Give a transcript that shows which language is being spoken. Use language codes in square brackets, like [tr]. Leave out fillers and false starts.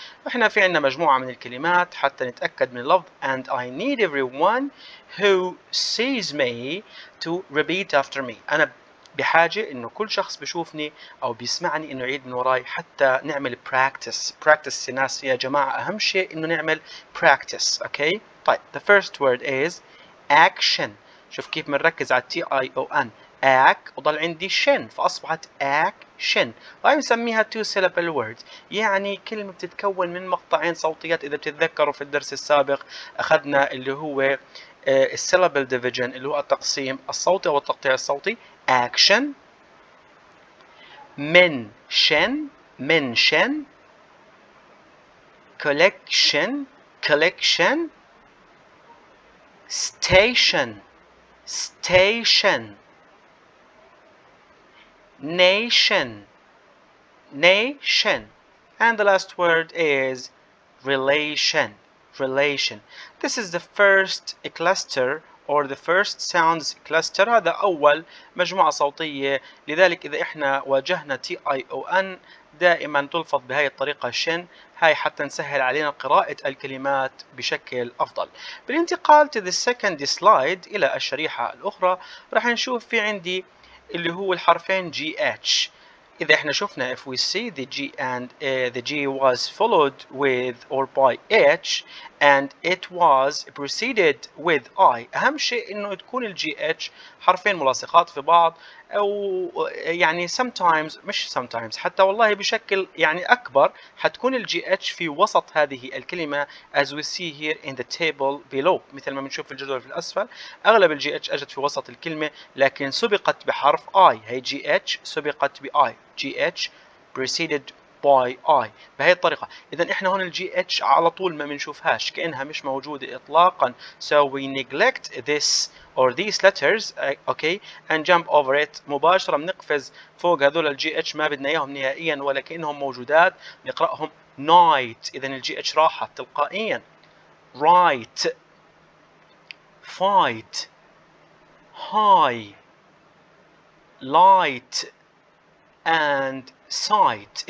[ar] احنا في عندنا مجموعة من الكلمات حتى نتأكد من اللفظ. [en] And I need everyone who sees me to repeat after me. [ar] انا بحاجة انه كل شخص بشوفني او بيسمعني انه يعيد من وراي حتى نعمل practice. الناس يا جماعة اهم شيء انه نعمل practice. Okay. [en] طيب the first word is action. [ar] شوف كيف بنركز على [en] T-I-O-N. [ar] اك وضل عندي شن فاصبحت اك شن. هاي نسميها [en] two syllable word, [ar] يعني كلمه بتتكون من مقطعين صوتيات. اذا بتتذكروا في الدرس السابق اخذنا اللي هو السيلابل ديفيجن اللي هو التقسيم الصوتي او التقطيع الصوتي. [en] Action من شن من شن collection collection station station nation nation and the last word is relation relation. This is the first cluster or the first sounds cluster. [ar] هذا أول مجموعة صوتية. لذلك إذا إحنا واجهنا T-I-O-N دائما تلفظ بهذه الطريقة شن، هاي حتى نسهل علينا قراءة الكلمات بشكل أفضل. بالانتقال [en] to the second slide [ar] إلى الشريحة الأخرى راح نشوف في عندي اللي هو الحرفين GH. إذا إحنا شفنا [en] if we see the G and the G was followed with or by H and it was preceded with I. [ar] أهم شيء إنه تكون ال GH حرفين ملاصقات في بعض، أو يعني sometimes مش sometimes حتى والله بشكل يعني أكبر حتكون ال GH في وسط هذه الكلمة [en] as we see here in the table below. [ar] مثل ما بنشوف في الجدول في الأسفل أغلب ال GH أجت في وسط الكلمة لكن سبقت بحرف I. هي GH سبقت ب I. [en] GH preceded by I [ar] بهي الطريقة. إذا إحنا هون ال GH على طول ما بنشوفهاش كأنها مش موجودة إطلاقا. [en] So we neglect this or these letters okay and jump over it. [ar] مباشرة بنقفز فوق هذول ال GH ما بدنا إياهم نهائيا ولا كأنهم موجودات. نقرأهم night. إذا ال GH راحت تلقائيا. [en] right fight high light and sight.